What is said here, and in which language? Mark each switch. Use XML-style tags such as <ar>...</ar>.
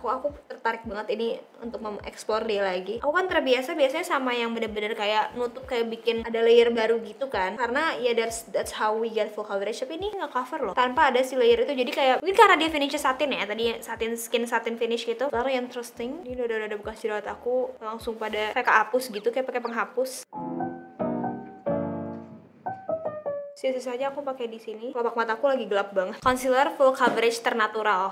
<id>Aku tertarik banget ini untuk mengeksplor dia lagi. Aku kan terbiasa biasanya sama yang benar-benar kayak nutup, kayak bikin ada layer baru gitu kan. Karena ya</id> <en>that's how we get full coverage.</en> <id>Tapi ini nggak cover loh, tanpa ada si layer itu. Jadi kayak mungkin karena dia finishnya satin ya, tadi satin skin, satin finish gitu. Baru yang interesting, ini udah bekas jerawat aku langsung pada kayak kehapus gitu, kayak pakai penghapus. Sisa-sisa aja aku pakai di sini. Kelopak mataku lagi gelap banget. Concealer full coverage ternatural.</id>